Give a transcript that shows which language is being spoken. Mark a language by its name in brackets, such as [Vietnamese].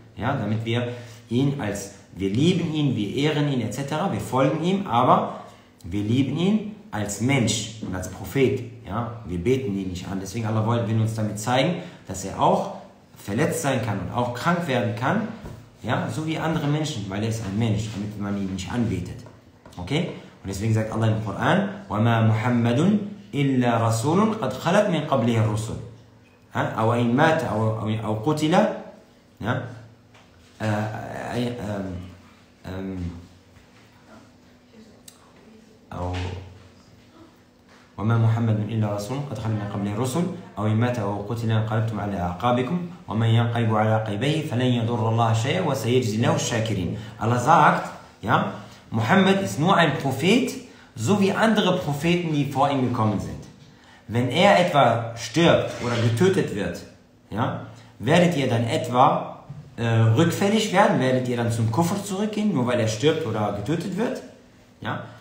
[German] Ja, damit wir ihn als, wir lieben ihn, wir ehren ihn etc., wir folgen ihm, aber wir lieben ihn als Mensch und als Prophet. Ja, wir beten ihn nicht an. Deswegen, Allah will uns damit zeigen, dass er auch verletzt sein kann und auch krank werden kann, ja, so wie andere Menschen, weil er ist ein Mensch, damit man ihn nicht anbetet. Okay? Und deswegen sagt Allah im Koran, [Arabic] وَمَا مُحَمَّدٌ إِلَّا رَسُولٌ قَدْ خَلَتْ مِنْ قَبْلِهِ الرُّسُلُ أو إن مات أو قتل أو وما محمد إلا رسول قد خلى من قبله رسل أو إن مات أو قتل انقلبتم على أعقابكم ومن ينقلب على عقبيه فلن يضر الله شيئا وسيجزي له الشاكرين. [German] Allah sagt, ja, Muhammad ist nur ein Prophet, so wie andere Propheten, die vor ihm gekommen sind. Wenn er etwa stirbt oder getötet wird, ja, werdet ihr dann etwa rückfällig werden? Werdet ihr dann zum Kufr zurückgehen, nur weil er stirbt oder getötet wird? Ja?